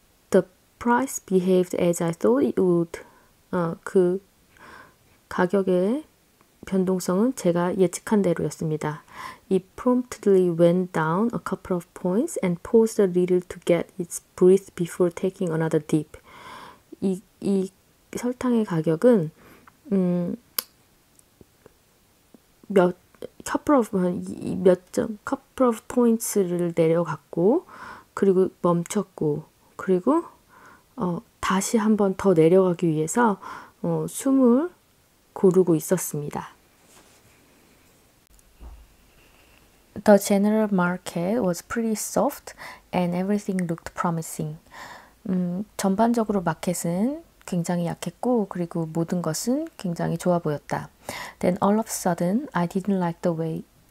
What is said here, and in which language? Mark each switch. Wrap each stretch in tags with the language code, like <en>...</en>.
<en>The price behaved as I thought it would.</en> <ko>그 가격에 변동성은 제가 예측한 대로였습니다.</ko> <en>It promptly went down a couple of points and paused a little to get its breath before taking another dip.</en> <ko>이 설탕의 가격은</ko> <en>couple of points</en> <ko>를 내려갔고 그리고 멈췄고 그리고 다시 한 번 더 내려가기 위해서 숨을 고르고 있었습니다.</ko> <en>The general market was pretty soft and everything looked promising.</en> <ko>전반적으로 마켓은 굉장히 약했고 그리고 모든 것은 굉장히 좋아 보였다.</ko> <en>Then all of a sudden, I didn't like the way...</en>